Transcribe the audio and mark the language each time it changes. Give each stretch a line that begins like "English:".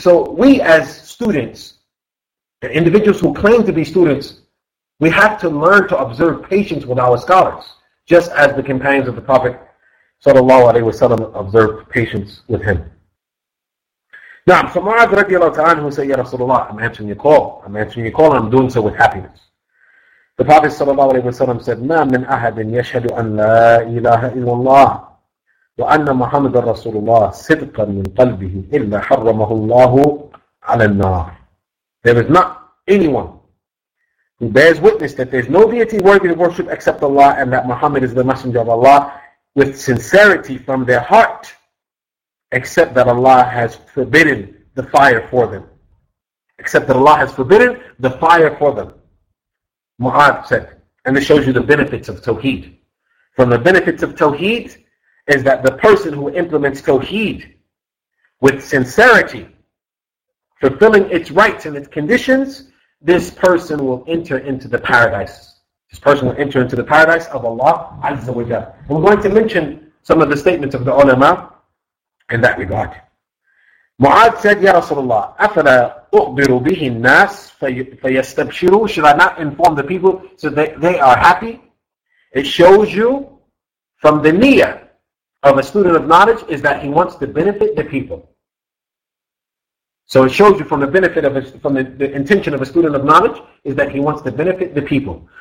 English: So we as students, individuals who claim to be students, we have to learn to observe patience with our scholars, just as the companions of the Prophet sallallahu alaihi wasallam observed patience with him. Now, from Mu'adh radiallahu ta'ala, who said, Ya Rasulullah, I'm answering your call. I'm answering your call and I'm doing so with happiness. The Prophet sallallahu alaihi wasallam said,
Arabic: مَا مِنْ أَحَدٍ يَشْهَدُ أَنْ لَا إِلَهَ إِلَّا اللَّهِ وَأَنَّ مُحَمَّدًا رَسُولُ اللَّهِ صِدْقًا مِنْ قَلْبِهِ إِلَّا حَرَّمَهُ اللَّهُ عَلَى النَّارِ.
English: There is not anyone who bears witness that there is no deity worthy of worship except Allah and that Muhammad is the Messenger of Allah with sincerity from their heart, except that Allah has forbidden the fire for them. Except that Allah has forbidden the fire for them. Mu'adh said, and this shows you the benefits of Tawheed. From the benefits of Tawheed is that the person who implements Tawheed with sincerity, fulfilling its rights and its conditions, this person will enter into the paradise. This person will enter into the paradise of Allah Azza wa Jalla. We're going to mention some of the statements of the ulama in that regard. Mu'adh said,
Arabic: Ya Rasulullah, أَفَلَا أُخْبِرُ بِهِ النَّاسِ فَيَسْتَبْشِرُ.
English: Should I not inform the people so that they are happy? It shows you from the niyyah of a student of knowledge is that he wants to benefit the people. So it shows you from the benefit of the intention of a student of knowledge is that he wants to benefit the people.